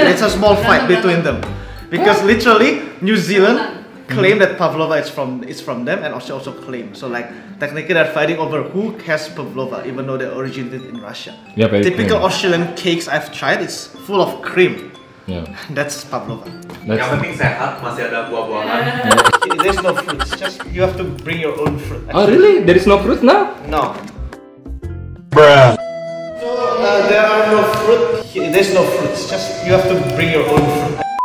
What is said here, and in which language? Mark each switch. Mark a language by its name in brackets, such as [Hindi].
[English] It's a small fight between them because literally New Zealand claim that pavlova is from them and Australia also claim. So like technically they're fighting over who has pavlova even though they originated in Russia. Yeah, but typical Australian cakes I've tried, it's full of cream. Yeah. That's pavlova. [Indonesian] Yang penting sehat, masih ada buah-buahan. [English] There's no fruit. It's just you have to bring your own fruit. Actually. Oh really? There is no fruit now? No. Bruh. So there are no fruit. There's no fruits. Just you have to bring your own fruit.